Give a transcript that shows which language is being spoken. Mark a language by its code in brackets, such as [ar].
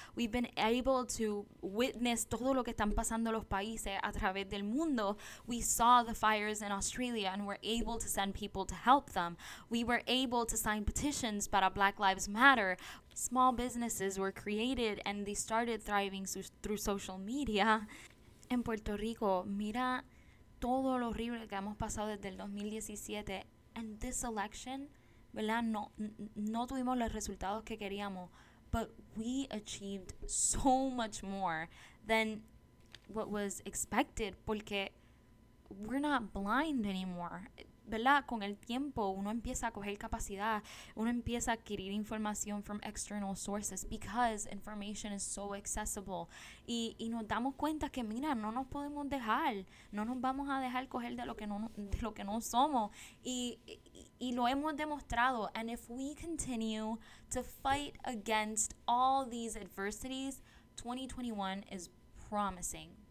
[en] We've been able to witness [es] todo lo que están pasando los países a través del mundo. [en] We saw the fires in Australia and were able to send people to help them. We were able to sign petitions para Black Lives Matter. Small businesses were created and they started thriving through social media. [es] En Puerto Rico, mira todo lo horrible que hemos pasado desde el 2017. [en] And this election, [es] ¿verdad? No tuvimos los resultados que queríamos, [en] but we achieved so much more than what was expected porque we're not blind anymore. [es] ¿Verdad? Con el tiempo uno empieza a coger capacidad, uno empieza a adquirir información [en] from external sources because information is so accessible. [es] Y nos damos cuenta que mira, no nos podemos dejar, no nos vamos a dejar coger de lo que no somos. Y lo hemos demostrado. [en] And if we continue to fight against all these adversities, 2021 is promising.